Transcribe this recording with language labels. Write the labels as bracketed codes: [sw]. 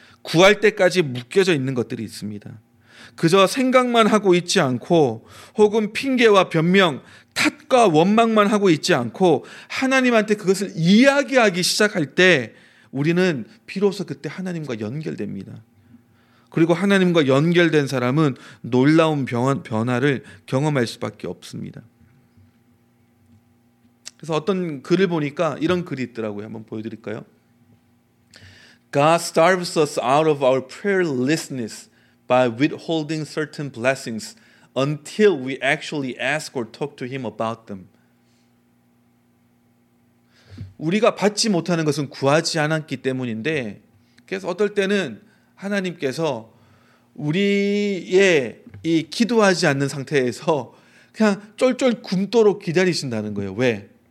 [ko] 구할 때까지 묶여져 있는 것들이 있습니다. 그저 생각만 하고 있지 않고 혹은 핑계와 변명, 탓과 원망만 하고 있지 않고 하나님한테 그것을 이야기하기 시작할 때 우리는 비로소 그때 하나님과 연결됩니다. 그리고 하나님과 연결된 사람은 놀라운 변화를 경험할 수밖에 없습니다. 그래서 어떤 글을 보니까 이런 글이 있더라고요. 한번 보여드릴까요? [en] God starves us out of our prayerlessness by withholding certain blessings until we actually ask or talk to him about them. [ko] 우리가 받지 못하는 것은 구하지 않았기 때문인데, 그래서 어떨 때는 하나님께서 우리의 이 기도하지 않는 상태에서 그냥 쫄쫄 굶도록 기다리신다는 거예요. 왜?